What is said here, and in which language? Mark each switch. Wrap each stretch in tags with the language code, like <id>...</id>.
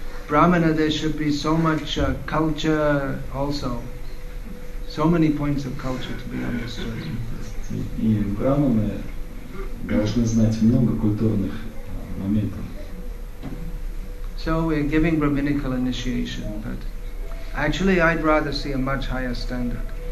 <en>brahmana there should be so much culture also, so many points of culture to be understood.</en> <ru>И брахманы должны знать много культурных моментов.</ru> <en>So we're giving brahminical initiation, but actually I'd rather see a much higher standard.</en>